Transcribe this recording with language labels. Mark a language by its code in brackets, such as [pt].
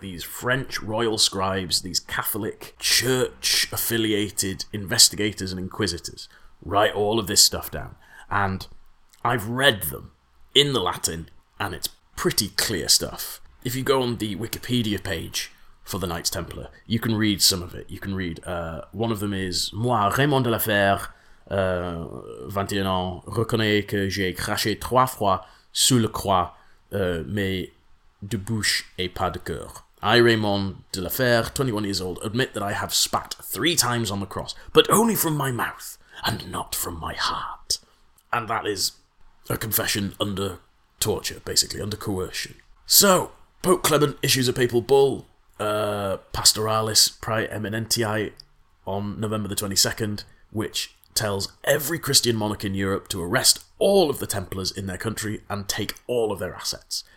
[en] These French royal scribes, these Catholic church-affiliated investigators and inquisitors write all of this stuff down. And I've read them in the Latin, and it's pretty clear stuff. If you go on the Wikipedia page for the Knights Templar, you can read some of it. You can read, one of them is, [fr] "Moi, Raymond de la Fère, 21 ans, reconnais que j'ai craché trois fois sous le croix, mais de bouche et pas de cœur. [en] I, Raymond de la Fère, 21 years old, admit that I have spat three times on the cross, but only from my mouth and not from my heart." And that is a confession under torture, basically, under coercion. So, Pope Clement issues a papal bull, Pastoralis Praeeminentiae, on November the 22nd, which tells every Christian monarch in Europe to arrest all of the Templars in their country and take all of their assets.